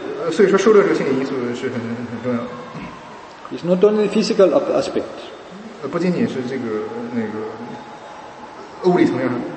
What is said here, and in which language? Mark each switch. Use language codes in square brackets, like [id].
[zh] 所以说受乐这个心理因素是很重要的。 [en] It's not only the physical aspect. [zh] 不仅仅是这个那个物理层面上。